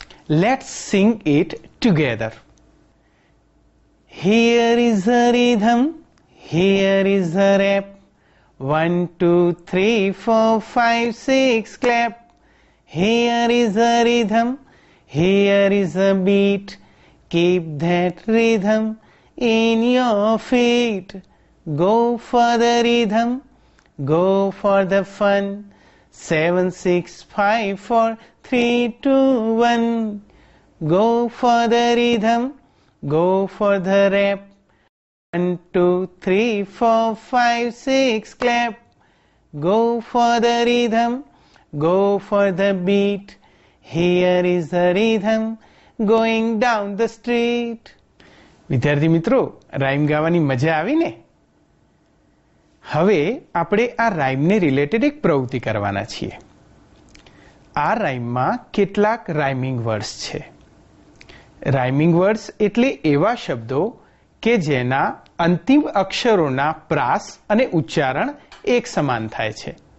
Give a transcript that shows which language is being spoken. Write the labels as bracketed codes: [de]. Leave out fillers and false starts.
[en] Let's Singh it together. Here is a rhythm, here is a rape, 1 2 3 4 5 6 clap. Here is a rhythm, here is a bit, keep that rhythm in your feet. Go for the rhythm, go for the fun. 7, 6, 5, 4, 3, 2, 1. Go for the rhythm, go for the rep. 1, 2, 3, 4, 5, 6, clap. Go for the rhythm, go for the beat. Here is the rhythm, going down the street. [gu] વિદ્યાર્થી મિત્રો, rhyme ગાવાની મજા આવી ને? હવે આપણે આ રાઇમને related એક પ્રવૃત્તિ કરવાના છીએ. આ રાઇમમાં કેટલાક રાઇમિંગ વર્ડ્સ છે. રાઇમિંગ વર્ડ્સ એટલે એવા શબ્દો કે જેના અંતિમ અક્ષરોના પ્રાસ અને ઉચ્ચારણ એક સમાન થાય છે.